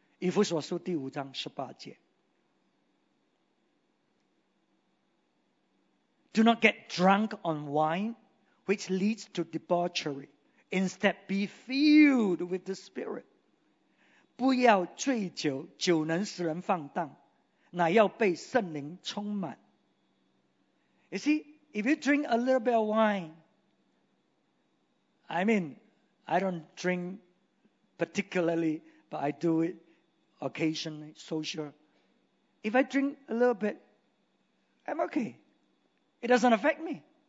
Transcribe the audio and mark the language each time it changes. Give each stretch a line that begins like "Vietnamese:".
Chinese: 以弗所书第五章十八节.
English: Do not get drunk on wine, which leads to debauchery. Instead, be filled with the Spirit.
Chinese: 不要醉酒, 酒能使人放荡, 乃要被圣灵充满.
English: You see, if you drink a little bit of wine, I mean, I don't drink particularly, but I do it occasionally, social. If I drink a little bit, I'm okay. It doesn't affect me.